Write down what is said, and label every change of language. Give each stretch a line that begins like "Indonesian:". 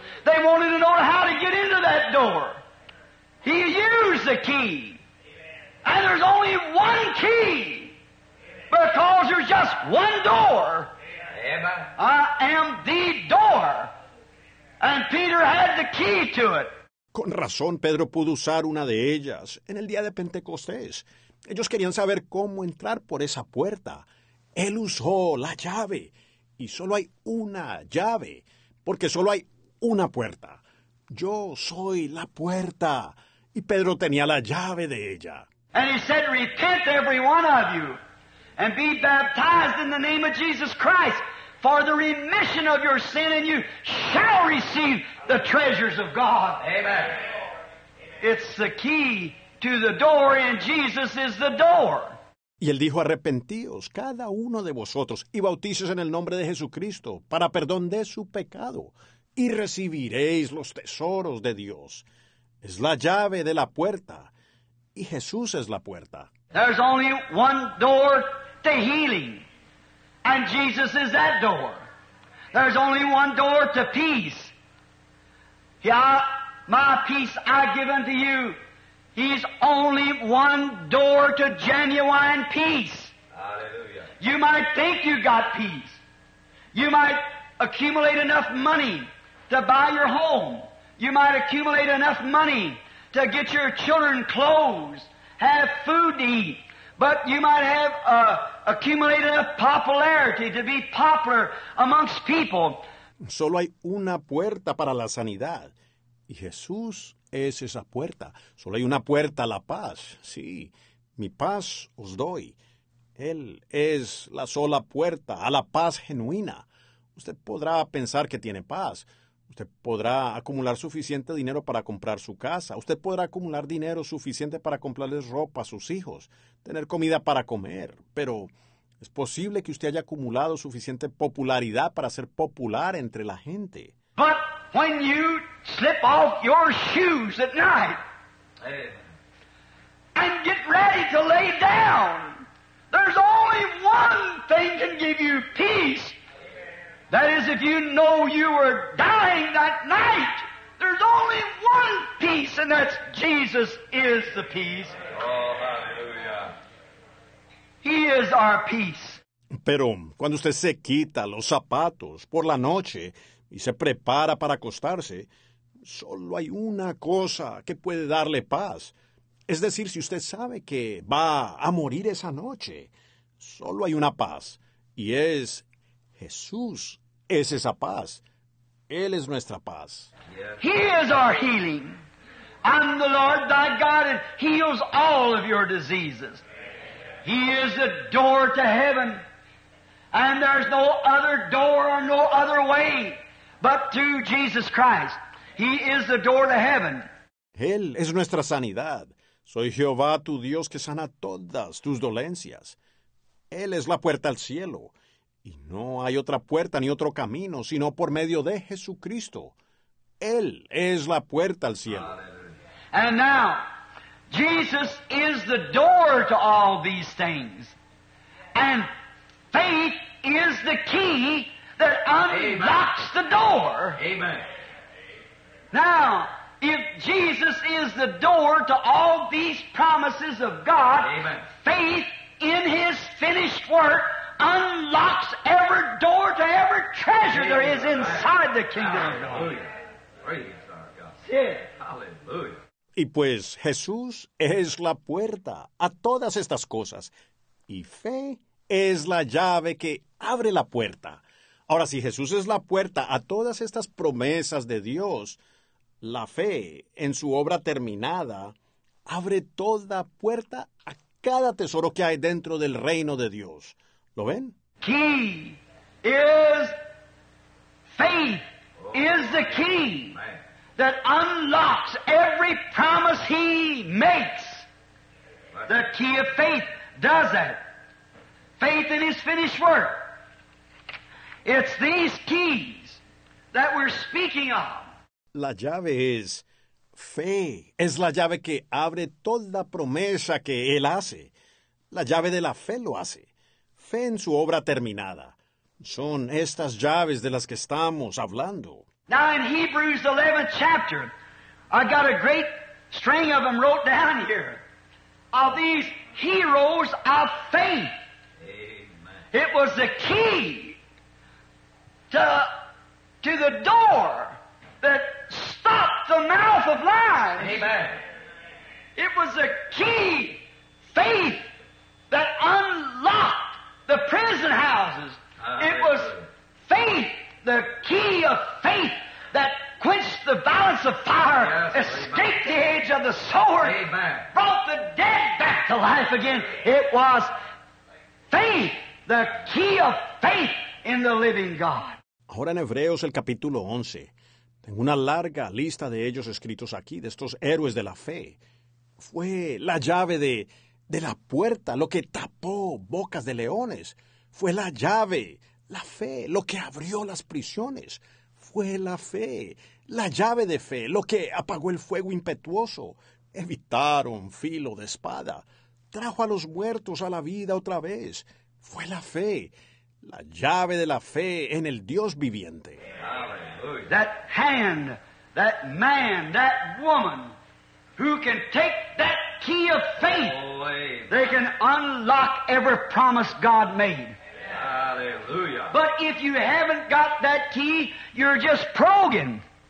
English: They wanted to know how to get into that door. He used the key. And there's only one key. Because there's just one door. I am the door. And Peter had the key to it.
Spanish: Con razón, Pedro pudo usar una de ellas en el día de Pentecostés. Ellos querían saber cómo entrar por esa puerta. Él usó la llave. Y solo hay una llave, porque solo hay una puerta. Yo soy la puerta. Y Pedro tenía la llave de ella.
English: And he said, repent every one of you, and be baptized in the name of Jesus Christ for the remission of your sin, and you shall receive the treasures of God. Amen. It's the key to the door, and Jesus is the door.
Spanish: Y él dijo, arrepentíos, cada uno de vosotros, y bautízos en el nombre de Jesucristo, para perdón de su pecado, y recibiréis los tesoros de Dios. Es la llave de la puerta, y Jesús es la puerta.
English: There's only one door to healing, and Jesus is that door. There's only one door to peace, Yeah, my peace I give unto you. He's only one door to genuine peace. Hallelujah. You might think you got peace. You might accumulate enough money to buy your home. You might accumulate enough money to get your children clothes, have food to eat. But you might have accumulated enough popularity to be popular amongst people.
Spanish: Solo hay una puerta para la sanidad. Y Jesús es esa puerta. Solo hay una puerta a la paz. Sí, mi paz os doy. Él es la sola puerta a la paz genuina. Usted podrá pensar que tiene paz. Usted podrá acumular suficiente dinero para comprar su casa. Usted podrá acumular dinero suficiente para comprarles ropa a sus hijos, tener comida para comer. Pero es posible que usted haya acumulado suficiente popularidad para ser popular entre la gente.
English: But when you slip off your shoes at night and get ready to lay down, there's only one thing can give you peace. That is, if you know you were dying that night, there's only one peace, and that's Jesus is the peace. Oh, hallelujah. He is our peace.
Spanish: Pero cuando usted se quita los zapatos por la noche y se prepara para acostarse, solo hay una cosa que puede darle paz. Es decir, si usted sabe que va a morir esa noche, solo hay una paz, y es Jesús es esa paz. Él es nuestra paz.
English: He is our healing. I'm the Lord thy God and heals all of your diseases. He is the door to heaven. And there's no other door or no other way but to Jesus Christ. He is the door to heaven.
Spanish: Él es nuestra sanidad. Soy Jehová tu Dios que sana todas tus dolencias. Él es la puerta al cielo. Y no hay otra puerta ni otro camino, sino por medio de Jesucristo. Él es la puerta al cielo.
English: And now, Jesus is the door to all these things. And faith is the key that unlocks the door. Amen. Now, if Jesus is the door to all these promises of God, amen, faith in His finished work unlocks every door to every treasure there is inside the kingdom of God. Praise our God. Yes. Hallelujah.
Spanish: Y pues Jesús es la puerta a todas estas cosas. Y fe es la llave que abre la puerta. Ahora, si Jesús es la puerta a todas estas promesas de Dios, la fe en su obra terminada abre toda puerta a cada tesoro que hay dentro del reino de Dios. ¿Lo ven?
English: Key is faith is the key that unlocks every promise He makes. The key of faith does that. Faith in His finished work. It's these keys that we're speaking of.
Spanish: La llave es fe. Es la llave que abre toda promesa que Él hace. La llave de la fe lo hace. Fe en su obra terminada. Son estas llaves de las que estamos hablando.
English: Now in Hebrews 11th chapter, I got a great string of them wrote down here. Of these heroes of faith. Amen. It was the key to the door that stopped the mouth of lions. Amen. It was the key, faith, that unlocked the prison houses. It was faith, the key of faith that quenched the violence of fire, yes, escaped, amen, the edge of the sword, amen, brought the dead back to life again. It was faith, the key of faith in the living God.
Spanish: Ahora en Hebreos el capítulo 11, tengo una larga lista de ellos escritos aquí, de estos héroes de la fe. Fue la llave de la puerta, lo que tapó bocas de leones. Fue la llave, la fe, lo que abrió las prisiones. Fue la llave de fe, lo que apagó el fuego impetuoso. Evitaron filo de espada. Trajo a los muertos a la vida otra vez. Fue la llave de la fe en el Dios viviente.
English: Hallelujah. That hand that man, that woman, who can take that key of faith. They can unlock every promise God made. Hallelujah. But if you haven't got that key, you're just proging.